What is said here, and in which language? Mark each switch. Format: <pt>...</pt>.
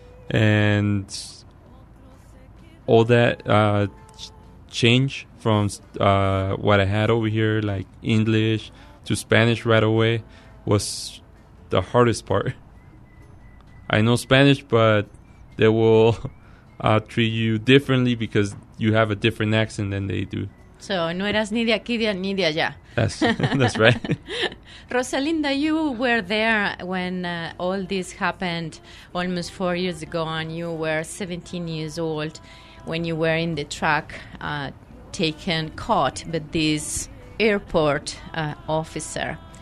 <en>And all that change from what I had over here, like English to Spanish right away, was the hardest part. I know Spanish, but they will treat you differently because you have a different accent than they do.</en> <es>So, no eras ni de aquí ni de allá.</es> <en>That's right. Rosalinda, you were there when all this happened almost 4 years ago, and you were 17 years old when you were in the truck taken, caught by this airport officer.</en>